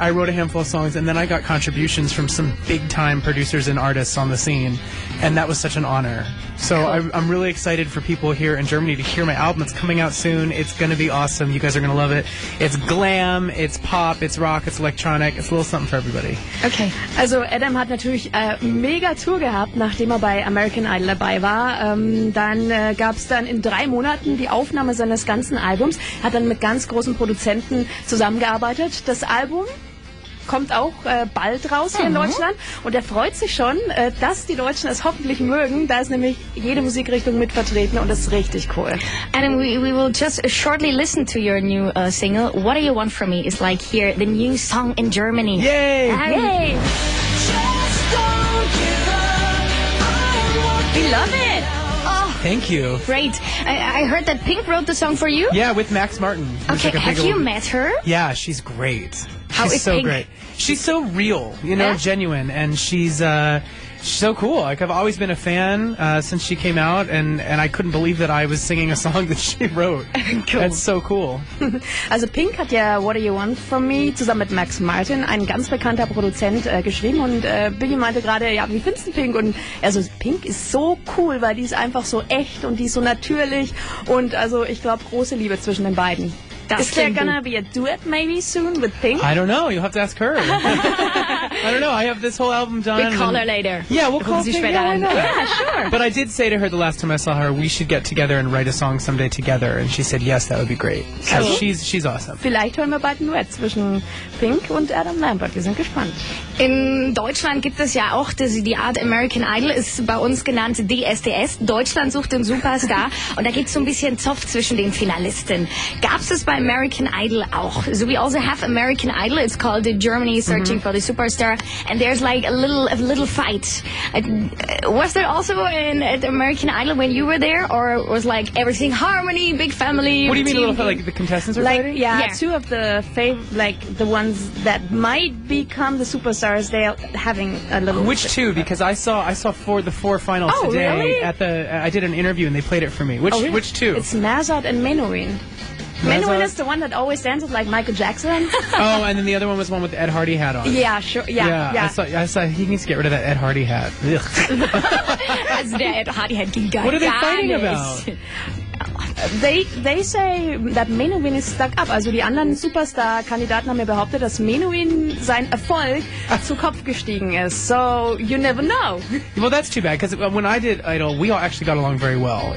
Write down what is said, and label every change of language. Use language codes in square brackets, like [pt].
[en] I wrote a handful of songs, and then I got contributions from some big-time producers and artists on the scene. And that was such an honor. So I'm really excited for people here in Germany to hear my album. It's coming out soon. It's going to be awesome. You guys are going to love it. It's glam, it's pop, it's rock, it's electronic. It's a little something for everybody. Okay. [de] Also Adam hat natürlich mega Tour gehabt, nachdem er bei American Idol dabei war. Dann gab es dann in 3 Monaten die Aufnahme seines ganzen Albums. Hat dann mit ganz großen Produzenten zusammengearbeitet. Das Album... kommt auch bald raus hier in Deutschland. Und er freut sich schon, dass die Deutschen es hoffentlich mögen. Da ist nämlich jede Musikrichtung mit vertreten und das ist richtig cool. [en] Adam, we will just shortly listen to your new single. What Do You Want From Me is like here, the new song in Germany. Yay! Yay! Just don't give up. We love it! Thank you. Great. I heard that Pink wrote the song for you? Yeah, with Max Martin. Okay, like have you met her? Yeah, she's great. How she's is so Pink? Great. She's so real, you know, genuine, and she's so cool. Like, I've always been a fan since she came out, and I couldn't believe that I was singing a song that she wrote. Cool. That's so cool. [de] Also Pink hat ja What Do You Want From Me zusammen mit Max Martin, ein ganz bekannter Produzent, geschrieben. Und Billy meinte gerade, ja, wie findest du Pink? Und also Pink ist so cool, weil die ist einfach so echt und die ist so natürlich. Und also ich glaube, große Liebe zwischen den beiden. [en] Is there gonna be a duet maybe soon with Pink? I don't know. You'll have to ask her. I don't know. I have this whole album done. We'll call her later. Yeah, we'll call her. Yeah, sure. But I did say to her the last time I saw her, we should get together and write a song someday together. And she said, yes, that would be great. So cool. She's awesome. [de] Vielleicht hören wir bald ein Duett zwischen Pink und Adam Lambert. Wir sind gespannt. In Deutschland gibt es ja auch die Art American Idol, ist bei uns genannt DSDS, Deutschland sucht den Superstar. Und da gibt es so ein bisschen Zoff zwischen den Finalisten. Gab es bei American Idol auch? [en] So we also have American Idol, it's called Germany Searching for the Superstar. And there's like a little fight. Was there also at American Idol when you were there? Or was like everything harmony, big family? What do you mean a little fight, like the contestants are like, fighting? Yeah, two of the the ones that might become the superstar. Stars, they are having a little... Which two? Because I saw the four finals today. Really? I did an interview and they played it for me. Which really? Which two? It's Nazat and Menuhin. Menuhin is the one that always dances like Michael Jackson. Oh, and then the other one was one with the Ed Hardy hat on. Yeah, sure. Yeah, yeah. I saw he needs to get rid of that Ed Hardy hat. [de] Also der Ed Hardy hat gegangen. [en] What are they fighting about? They say that Menuhin is stuck up. [de] Also die anderen Superstar-Kandidaten haben mir behauptet, dass Menuhin sein Erfolg zu Kopf gestiegen ist. [en] So you never know. Well, that's too bad, because when I did Idol, we all actually got along very well.